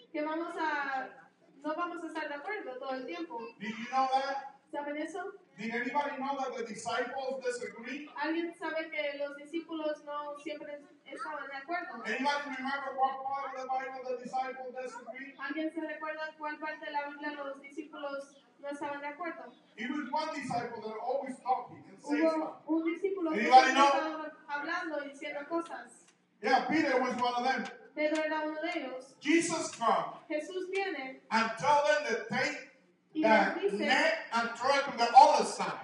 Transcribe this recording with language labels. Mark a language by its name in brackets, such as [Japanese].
[Spanish] Que vamos a, no vamos a estar de acuerdo todo el tiempo. [English] Did you know that? [Spanish] ¿Saben eso? [English] Did anybody know that the disciples disagree? [Spanish] ¿Alguien sabe que los discípulos no siempre estaban de acuerdo? [English] Anybody remember what part of the Bible the disciples disagree? [Spanish] ¿Alguien se recuerda cuál parte de la Biblia los discípulos no estaban de acuerdo? [English] It was one disciple that always talking and saying [Spanish] un discípulo [English] anybody [Spanish] que [English] know? [Spanish] Hablando y diciendo cosas. [English] Yeah, Peter was one of them. [Spanish] Pedro era uno de ellos. [English] Jesus come. [Spanish] Jesús viene. [English] And tell them to take that [Spanish] dice, [English] net and throw it to the other side.